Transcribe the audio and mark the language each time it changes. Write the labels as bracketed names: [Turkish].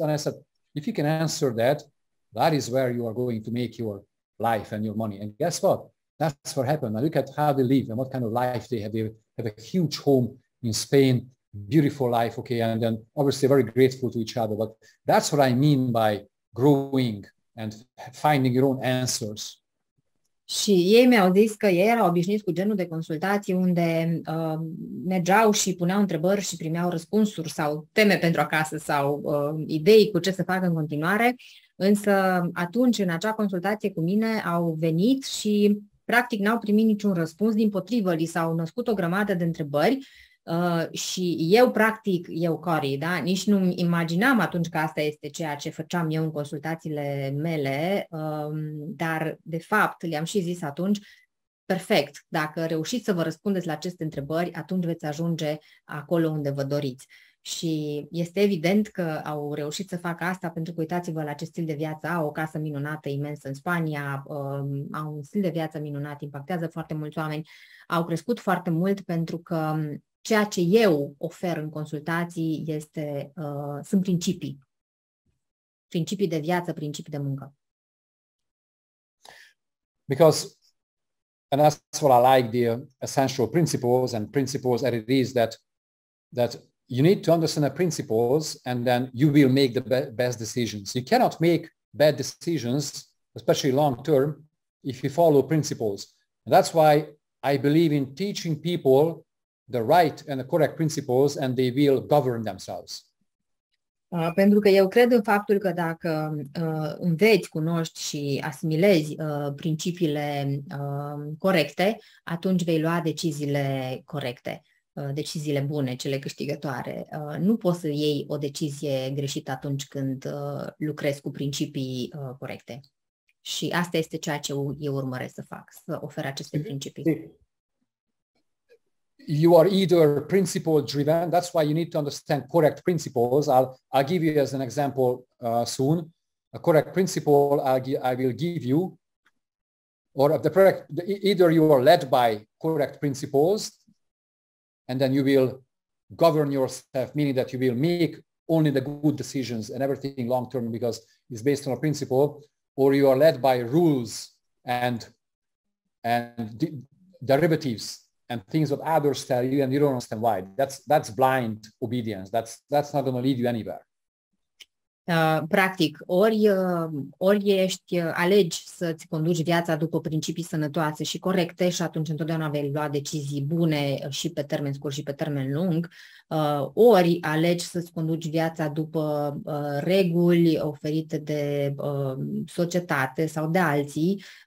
[English] And I said, if you can answer that, that is where you are going to make your life and your money. And guess what? That's what happened. Now look at how they live and what kind of life they have. They have a huge home in Spain, beautiful life, okay, and then obviously very grateful to each other. But that's what I mean by growing and finding your own answers. [Romanian] Și ei mi-au zis că ei erau obișnuiți cu genul de consultații unde mergeau și puneau întrebări și primeau răspunsuri sau teme pentru acasă sau idei cu ce să facă în continuare. Însă atunci, în acea consultație cu mine, au venit și practic n-au primit niciun răspuns. Dimpotrivă, li s-au născut o grămadă de întrebări. Și eu practic, eu Cori, da, nici nu imaginam atunci că asta este ceea ce făceam eu în consultațiile mele, dar de fapt le-am și zis atunci, perfect, dacă reușiți să vă răspundeți la aceste întrebări, atunci veți ajunge acolo unde vă doriți. Și este evident că au reușit să facă asta pentru că uitați-vă la ce stil de viață au, o casă minunată, imensă în Spania, au un stil de viață minunat, impactează foarte mulți oameni, au crescut foarte mult pentru că ceea ce eu ofer în consultații este sunt principii. Principii de viață, principii de muncă. [English] Because, and that's what I like, the essential principles and principles that it is that you need to understand the principles and then you will make the best decisions. You cannot make bad decisions, especially long term, if you follow principles. And that's why I believe in teaching people the right and the correct principles and they will govern themselves. [Romanian] Pentru că eu cred în faptul că dacă înveți, cunoști și asimilezi principiile corecte, atunci vei lua deciziile corecte, deciziile bune, cele câștigătoare. Nu poți să iei o decizie greșită atunci când lucrezi cu principii corecte. Și asta este ceea ce eu urmăresc să fac, să ofer aceste principii. [English] You are either principle driven. That's why you need to understand correct principles. I'll give you as an example soon. A correct principle I will give you, or the correct. Either you are led by correct principles, and then you will govern yourself, meaning that you will make only the good decisions and everything long term because it's based on a principle, or you are led by rules and derivatives. And things that others tell you and you don't understand why. That's blind obedience. That's not going to lead you anywhere. [Romanian] Practic, ori ești, alegi să-ți conduci viața după principii sănătoase și corecte și atunci întotdeauna vei lua decizii bune și pe termen scurt și pe termen lung, ori alegi să-ți conduci viața după reguli oferite de societate sau de alții,